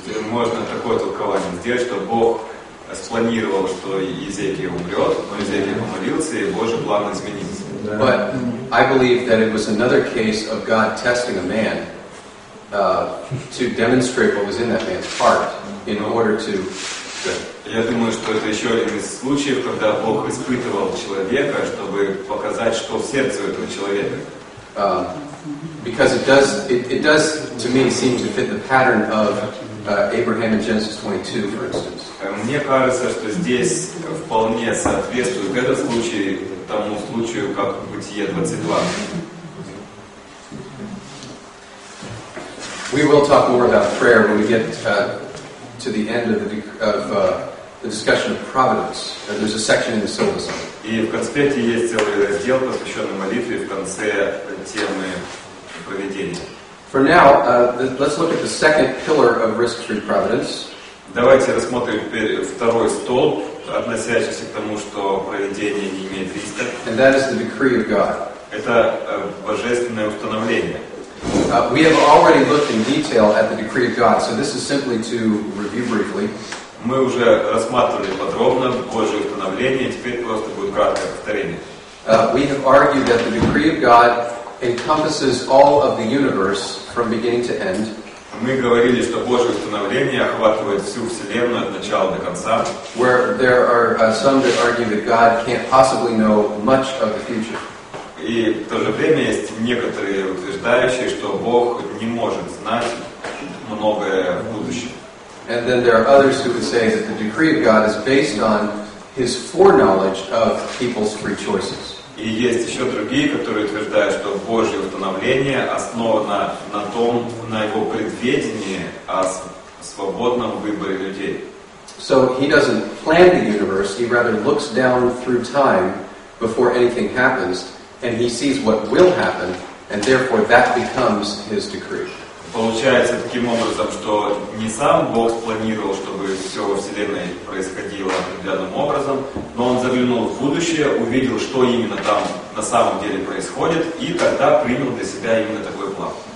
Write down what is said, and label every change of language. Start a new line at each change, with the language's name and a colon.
Russian: Можно такое толкование сделать, что Бог спланировал, что Езекия умрет, но Езекия помолился, и Божий план изменился.
English: But I believe that it was another case of God testing a man to demonstrate what was in that man's heart in order to...
Russian: Я думаю, что это еще один из случаев, когда Бог испытывал человека, чтобы показать, что в сердце этого человека.
English: Because it does to me seem to fit the pattern of Abraham in Genesis 22, for instance.
Russian: Мне кажется, что здесь вполне соответствует этот случай тому случаю, как в Бытие 22.
English: We will talk more about prayer when we get to the end of the discussion of providence. There's a section in the syllabus.
Russian: И в конспекте есть целый раздел, посвященный молитве в конце темы проведения.
English: For now, let's look at the second pillar of risk-free providence.
Russian: Давайте рассмотрим второй столб, относящийся к тому, что проведение не имеет риска.
English: And that is the decree of God.
Russian: Это божественное установление.
English: We have already looked in detail at the decree of God, so this is simply to review briefly.
Russian: Мы уже рассматривали подробно Божье установление, теперь просто будет краткое повторение.
English: We have argued that the decree of God encompasses all of the universe from beginning to end.
Russian: Мы говорили, что Божье установление охватывает всю вселенную от начала до конца.
English: Where there are some that argue that God can't possibly know much of the future.
Russian: И в то же время есть некоторые утверждающие, что Бог не может знать многое в будущем.
English: And then there are others who would say that the decree of God is based on His foreknowledge of people's free choices.
Russian: И есть еще другие, которые утверждают, что Божье установление основано на том, на его предведении о свободном выборе людей.
English: So he doesn't plan the universe, he rather looks down through time before anything happens, and he sees what will happen, and therefore that becomes his decree.
Russian: Получается таким образом, что не сам Бог спланировал, чтобы все во Вселенной происходило определенным образом, но он заглянул в будущее, увидел, что именно там на самом деле происходит, и тогда принял для себя именно такой план.